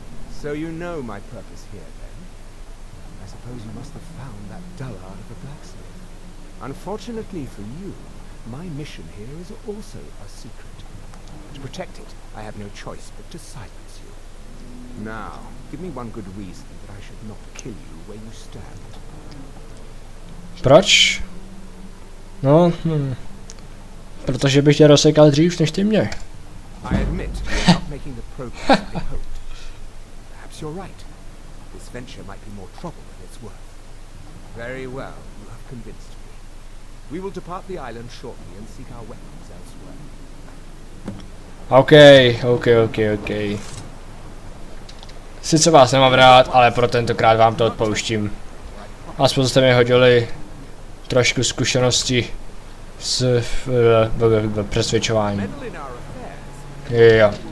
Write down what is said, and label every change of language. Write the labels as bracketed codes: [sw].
[en] So you know my purpose here, then? I suppose you must have found that dullard of a blacksmith. Unfortunately for you, My mission here is also a secret. To protect it, I have no choice but to silence you. Now, give me one good reason that I should not kill you where you stand. [cs] Proč? No, protože bych tě rozsekal dřív než ty mě. [en] I admit, you're not making the progress I hoped. Perhaps you're right. This venture might be more trouble than it's worth. Very well, you have convinced me. We will depart the island shortly and seek our weapons elsewhere. Okay. [cs] Sice vás nemám rád, ale pro tentokrát vám to odpouštím. Aspoň jste mi hodili trošku zkušenosti s přesvědčováním. Jo.